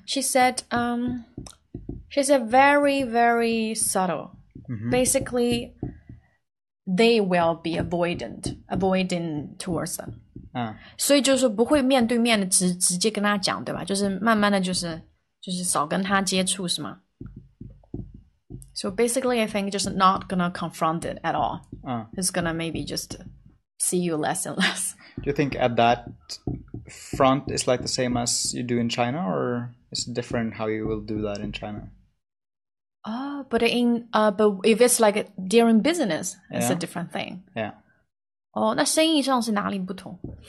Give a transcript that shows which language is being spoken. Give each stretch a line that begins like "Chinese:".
English: She said, she said very, very subtle. Mm-hmm. Basically, they will be avoidant towards them.
Chinese: 所以就是不会面对面的直接跟他讲，对吧？就是慢慢的就是少跟他接触，是吗？
English: So basically, I think just not gonna confront it at all. It's gonna maybe just see you less and less. Do you think at that front is like the same as you do in China, or is it different how you will do that in China? Oh, but but if it's like during business, it's a different thing. Yeah.
Chinese: Oh, 那生意上是哪里不同？